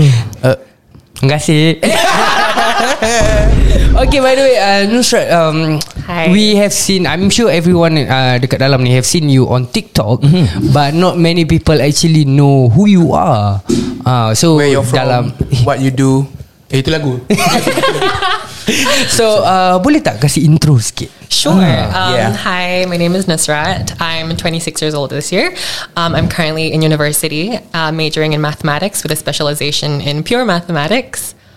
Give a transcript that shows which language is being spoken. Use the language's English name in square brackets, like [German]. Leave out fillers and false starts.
[Malay] Terima kasih. [English] Okay, by the way, Nusrat, we have seen, I'm sure everyone [Malay] dekat dalam ni [English] have seen you on TikTok, but not many people actually know who you are. So where you're from, [Malay] dalam [English] what you do. [Malay] Itu lagu. [English] So [Malay] boleh tak kasih intro sikit? [English] Sure. Hi, my name is Nusrat. I'm 26 years old this year. I'm currently in university, majoring in mathematics with a specialization in pure mathematics.